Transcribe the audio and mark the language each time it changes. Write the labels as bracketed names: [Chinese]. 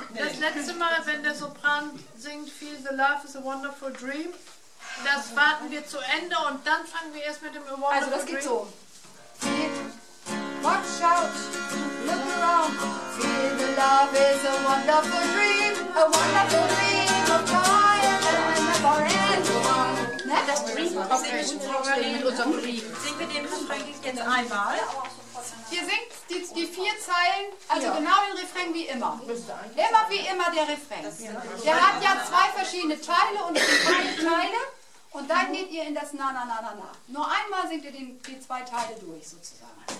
[German] Das letzte Mal, wenn der Sopran singt, [English] Feel the Love is a Wonderful Dream, [German] das warten wir zu Ende und dann fangen wir erst mit dem Wonderful Dream. Also das geht so. [English] Watch out, look around, feel the love is a wonderful dream, a wonderful dream of joy and never end. [German] Ne? Das Dream, okay. Singen wir schon vorstellen mit unserem Dream. Singen wir den Refrain jetzt einmal. Ihr singt die vier Zeilen, also ja. Genau den Refrain wie immer. Immer wie immer der Refrain. Der hat ja zwei verschiedene Teile und drei Teile. Und dann geht ihr in das Na Na Na Na Na. Nur einmal singt ihr die zwei Teile durch, sozusagen.